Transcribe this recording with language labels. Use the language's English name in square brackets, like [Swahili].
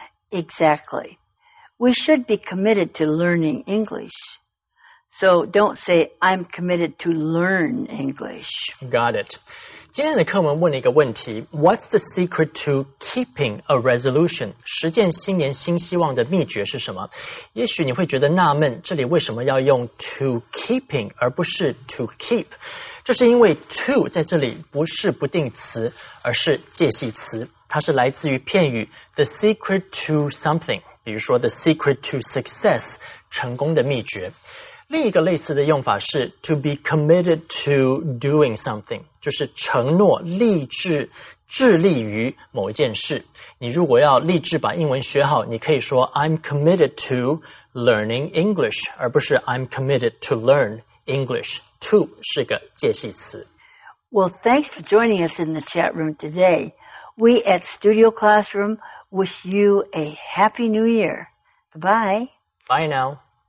[English] Exactly. We should be committed to learning English. So don't say, I'm committed to learn English. Got it. [Chinese] 今天的课文问了一个问题, [English] what's the secret to keeping a resolution? [Chinese] 实践新年新希望的秘诀是什么?也许你会觉得纳闷, 这里为什么要用 to keeping 而不是 to keep? 这是因为 to 在这里不是不定词, 而是介系词, 它是来自于片语 [English] the secret to something, [Chinese] 比如说 [English] the secret to success, [Chinese] 成功的秘诀。另一个类似的用法是 [English] to be committed to doing something, [Chinese] 就是承诺、立志、致力于某一件事。你如果要立志把英文学好, 你可以说 [English] I'm committed to learning English, [Chinese] 而不是 [English] I'm committed to learn English. [Chinese] To是个介系词。 [English] Well, thanks for joining us in the chat room today. We at Studio Classroom wish you a Happy New Year. Bye-bye. Bye now.